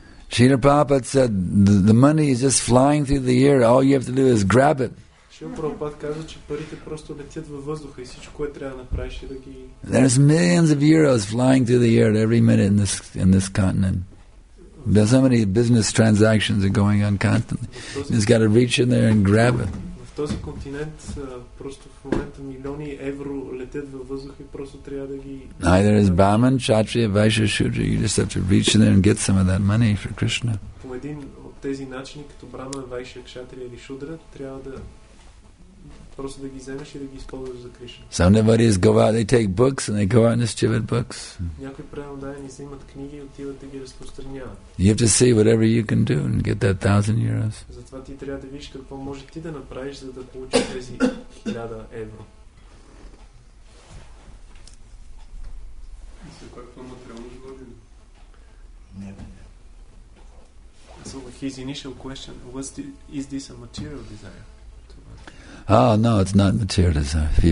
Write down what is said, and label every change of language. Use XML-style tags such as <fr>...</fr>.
<en>Srila Prabhupada said, the money is just flying through the air, all you have to do is grab it. There's millions of euros flying through the air every minute in this continent. There's so many business transactions are going on constantly. You just got to reach in there and grab it.</en> <bg>Този континент просто в момента милиони евро летят във въздуха и просто трябва да ги.</bg> <en>Neither is Brahman, Kshatriya, Vaishya, Shudra. You just have to reach in there and get some of that money for Krishna.</en> <bg>По един от тези начини, като Brahman, Vaishya, Kshatriya или Shudra, трябва да просто да ги вземеш и да ги използваш за Кришна.</bg> <en>Some devotees go out, they take books and they go out and distribute books.</en> <bg>Някои преводачи взимат книги и отиват да ги разпространяват.</bg> <en>You have to see whatever you can do and get that €1,000.</en> <bg>Затова ти трябва да видиш какво можеш ти да направиш, за да получиш тези 1000 евро. И сега какво материално живот? Не.</bg> <en>So his initial question was, is this a material desire? Oh, no, it's not material desire.</en>